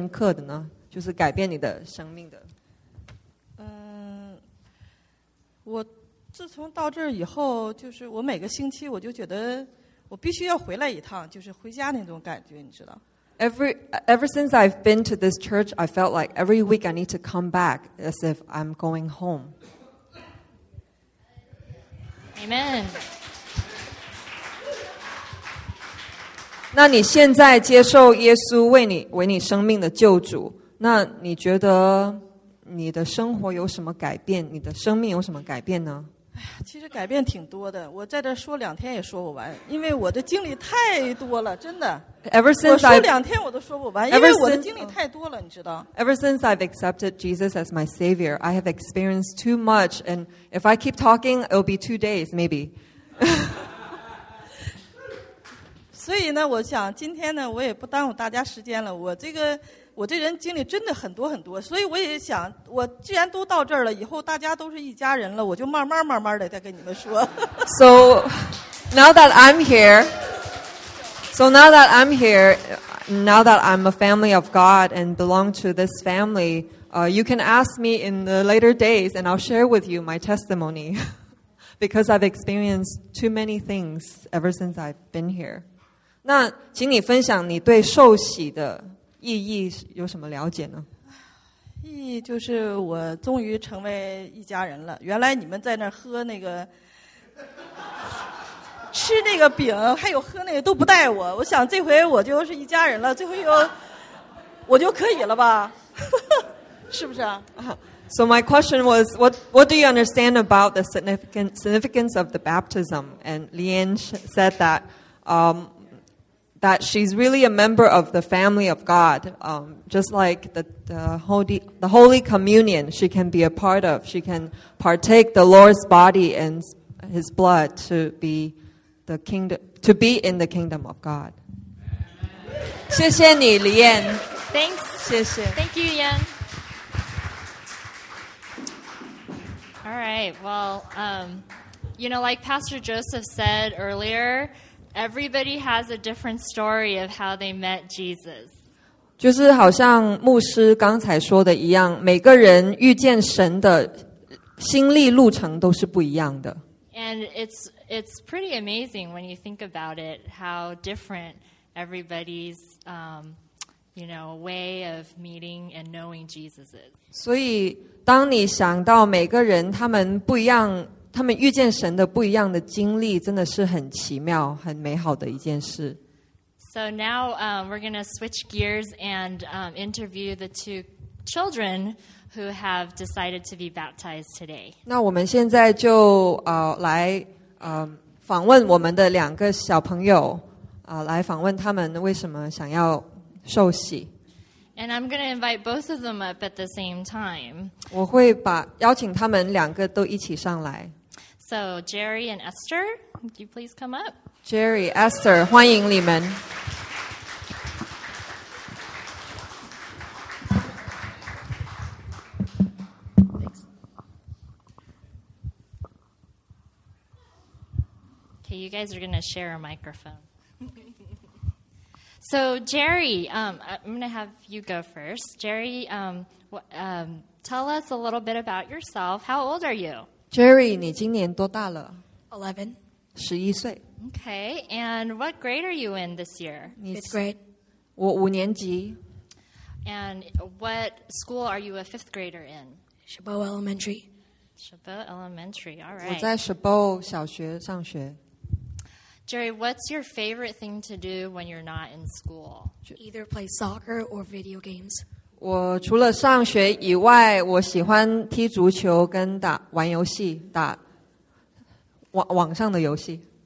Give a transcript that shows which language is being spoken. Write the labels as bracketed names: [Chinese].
[Chinese] 那，譬如说是一件事情啊，或者一连串事情啊，或又或是教会的牧师或者弟兄姐妹的关怀等等，有什么事情让你比较深刻的呢？就是改变你的生命的。我自从到这儿以后，就是我每个星期我就觉得我必须要回来一趟，就是回家那种感觉，你知道。 [English] Ever since I've been to this church, I felt like every week I need to come back as if I'm going home. Amen. [Chinese] 那你现在接受耶稣为你生命的救主，那你觉得？你的生活有什么改变？你的生命有什么改变呢？其实改变挺多的，我在这说两天也说不完，因为我的经历太多了，真的。 [English] Ever since [Chinese] 我说两天我都说不完，因为我的经历太多了，你知道。 [English] Ever since I've accepted Jesus as my Savior, I have experienced too much, and if I keep talking, it'll be 2 days maybe. [Chinese] 所以呢，我想今天呢，我也不耽误大家时间了，我这人经历真的很多很多，所以我也想，我既然都到这儿了，以后大家都是一家人了，我就慢慢慢慢的再跟你们说。 [English] So now that I'm a family of God and belong to this family, you can ask me in the later days, and I'll share with you my testimony, because I've experienced too many things ever since I've been here. [Chinese] 那请你分享你对受洗的。意义有什么了解呢？意义就是我终于成为一家人了。原来你们在那儿喝那个、吃那个饼，还有喝那个都不带我。我想这回我就是一家人了，这回有我就可以了吧？是不是啊 [English] ？So my question was, what do you understand about the significance of the baptism? And Leanne said that. That she's really a member of the family of God, just like the Holy Communion, she can be a part of. She can partake the Lord's body and His blood to be the kingdom, to be in the kingdom of God. [Chinese] 谢谢你，李燕。 [English] Thanks. [Chinese] 谢谢。 [English] Thank you, Yan. All right. Well, you know, like Pastor Joseph said earlier. Everybody has a different story of how they met Jesus. [Chinese] 就是好像牧师刚才说的一样，每个人遇见神的心历路程都是不一样的。 [English] And it's pretty amazing when you think about it, how different everybody's, you know, way of meeting and knowing Jesus is. [Chinese] 所以当你想到每个人他们不一样。他们遇见神的不一样的经历真的是很奇妙很美好的一件事。 [English] So now, we're going to switch gears and, interview the two children who have decided to be baptized today. [Chinese] 那我们现在就来访问我们的两个小朋友来访问他们为什么想要受洗。 [English] And I'm going to invite both of them up at the same time. [Chinese] 我会把邀请他们两个都一起上来。 [English] So Jerry and Esther, would you please come up? [Chinese] Jerry, Esther, 欢迎你们。 [English] Okay, you guys are going to share a microphone. So, Jerry, I'm going to have you go first. Jerry, tell us a little bit about yourself. How old are you? [Chinese] Jerry, 你今年多大了? [English] 11. [Chinese] 11岁。 [English] Okay, and what grade are you in this year? [Chinese] 你, [English] fifth grade. [Chinese] 我五年级。 [English] And what school are you a fifth grader in? Chabot Elementary. Chabot Elementary, all right. [Chinese] 我在 Chabot 小学上学。 [English] Jerry, what's your favorite thing to do when you're not in school? Either play soccer or video games. [Chinese] 我除了上学以外，我喜欢踢足球跟打玩游戏，打网上的游戏。